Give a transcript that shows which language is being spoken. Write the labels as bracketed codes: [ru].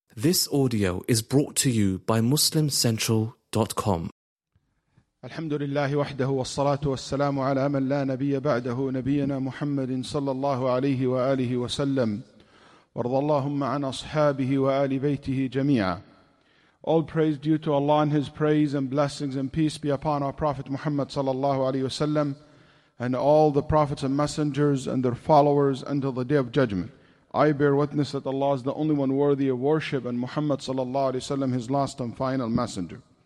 [en] This audio is brought to you by MuslimCentral.com. [ar] الحمد لله وحده والصلاة والسلام على من لا نبي بعده نبينا محمد صلى الله عليه وآله وسلم وارض اللهم عن أصحابه وآل بيته جميعا. [en] All praise due to Allah and His praise and blessings and peace be upon our Prophet Muhammad صلى الله عليه وسلم and all the prophets and messengers and their followers until the day of judgment. I bear witness that Allah is the only one worthy of worship and Muhammad sallallahu alayhi wa sallam, his last and final messenger.